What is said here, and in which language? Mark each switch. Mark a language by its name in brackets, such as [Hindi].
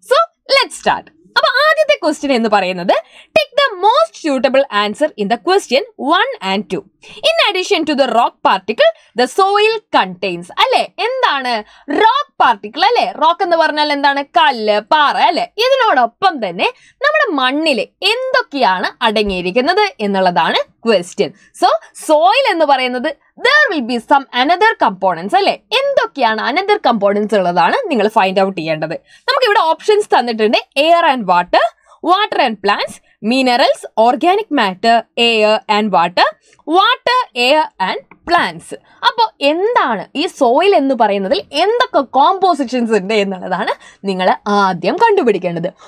[English] So let's start. [Malayalam] അപ്പോൾ ആദ്യത്തെ question എന്ന് പറയുന്നത്, [English] Take the most suitable answer in the question 1 and 2. In addition to the rock particle, the soil contains, അല്ലേ? [Malayalam] എന്താണ് rock particle, അല്ലേ? Rock എന്ന് പറഞ്ഞാൽ എന്താണ്, കല്ല്, പാറ, അല്ലേ? ഇതിനോടൊപ്പം തന്നെ നമ്മുടെ മണ്ണിൽ എന്തൊക്കെയാണ് അടങ്ങിയിരിക്കുന്നത് എന്നുള്ളതാണ് ക്വസ്റ്റ്യൻ. സോ സോയിൽ എന്ന് പറയുന്നത് [English] There will be some another components, അല്ലേ? [Malayalam] എന്തൊക്കെയാണ് അനദർ കമ്പോണൻസ് ഉള്ളതാണ് നിങ്ങൾ ഫൈൻഡ് ഔട്ട് ചെയ്യേണ്ടത്. നമുക്ക് ഇവിടെ ഓപ്ഷൻസ് തന്നിട്ടുണ്ട്, air and water, water and plants, minerals, organic matter, air and water, water, air and plants. അപ്പോൾ എന്താണ് ഈ സോയിൽ എന്ന് പറയുന്നതിൽ എന്തൊക്കെ കോമ്പോസിഷൻസ് ഉണ്ട് എന്നുള്ളതാണ് നിങ്ങൾ ആദ്യം കണ്ടുപിടിക്കേണ്ടത്.